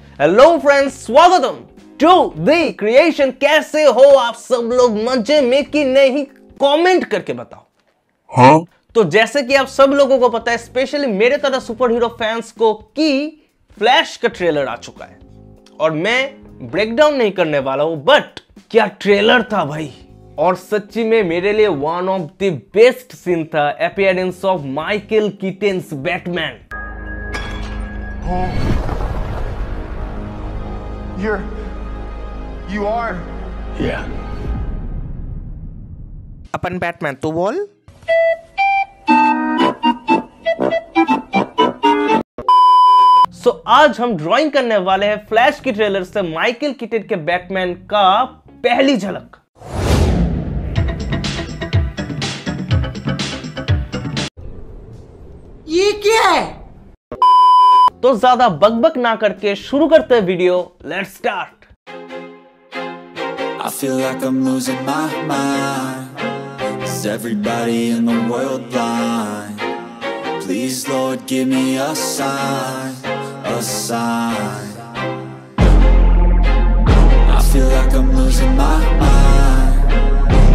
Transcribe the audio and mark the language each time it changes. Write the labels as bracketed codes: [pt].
[en] Hello friends, welcome to the creation. [hi] कैसे हो आप सब लोग? मुझे मिकी नहीं, कमेंट करके बताओ। हाँ? तो जैसे कि आप सब लोगों को पता है, स्पेशली मेरे तरह सुपर हीरो फैंस को, कि फ्लैश का ट्रेलर आ चुका है और मैं ब्रेकडाउन नहीं करने वाला हूं, [en] But क्या trailer था भाई। [hi] और सच्ची में मेरे लिए [en] one of the best scene [hi] था appearance of Michael कीटन्स Batman. Upon Batman तू बोल। सो आज हम ड्राइंग करने वाले हैं फ्लैश की ट्रेलर से माइकल कीटन के बैटमैन का पहली झलक। ये क्या है? तो ज्यादा बकबक ना करके शुरू करते हैं video, [en] Let's start. I feel like I'm losing my mind. Is everybody in the world blind? Please Lord, give me a sign. A sign. I feel like I'm losing my mind.